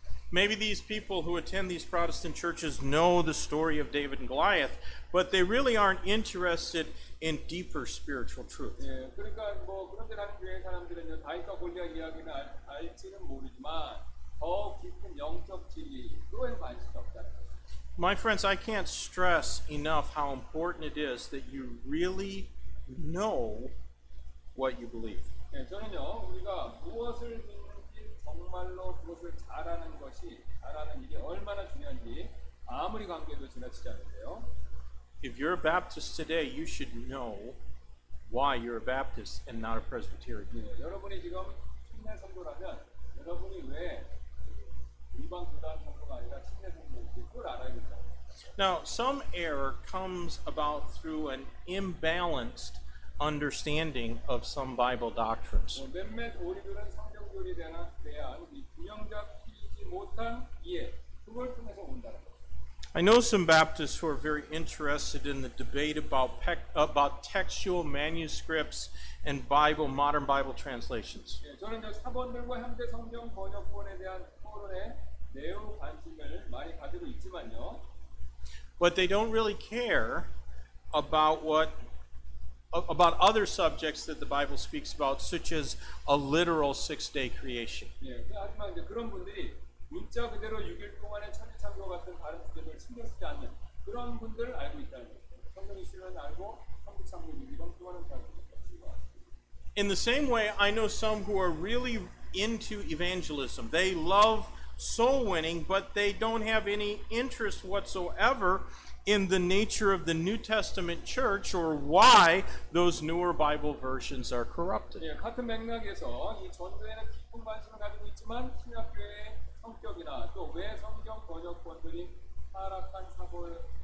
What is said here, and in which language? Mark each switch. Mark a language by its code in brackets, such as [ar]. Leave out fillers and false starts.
[en] Maybe these people who attend these Protestant churches know the story of David and Goliath, but they really aren't interested in deeper spiritual truth. [ko] 예, 그러니까 뭐 그런 데라는 교회 사람들은요 다윗과 골리앗 이야기는 알지는 모르지만 더 깊은 영적 진리 그거에 관심이 없다. [en] My friends, I can't stress enough how important it is that you really know what you believe. [ko] 예, 저는요 우리가 무엇을 믿는지 정말로 그것을 잘 아는 것이 잘 아는 일이 얼마나 중요한지 아무리 관계도 지나치지 않는데요. [en] If you're a Baptist today, you should know why you're a Baptist and not a Presbyterian. [ko] 네, 여러분이 지금 침례 성도라면 여러분이 왜 일반 교단 성도가 아니라 침례 성도인지 꼭 알아야 된다. [en] Now, some error comes about through an imbalanced understanding of some Bible doctrines. [ko] 네, 몇몇 오류들은 성경 교리에 대한 균형적이지 못한 이해, 그걸 통해서 온다. [en] I know some Baptists who are very interested in the debate about textual manuscripts and Bible modern Bible translations. [ko] 예, 저는 이제 사본들과 현대 성경 번역본에 대한 토론에 매우 관심을 많이 가지고 있지만요. [en] But they don't really care about other subjects that the Bible speaks about, such as a literal six-day creation. [ko] 예, 하지만 이제 그런 분들이 문자 그대로 6일 동안의 천지 창조 같은 다른 주제를 신경 쓰지 않는 그런 분들을 알고 있다는 거죠. 성경 이슈는 알고 천지 창조 6일 동안은 잘 모르겠습니다. [en] In the same way, I know some who are really into evangelism. They love soul winning, but they don't have any interest whatsoever in the nature of the New Testament church or why those newer Bible versions are corrupted. [ko] 예, 같은 맥락에서 이 전도에는 깊은 관심을 가지고 있지만 신약교회에 성격이나 또 왜 성경 번역본들이 타락한 사고를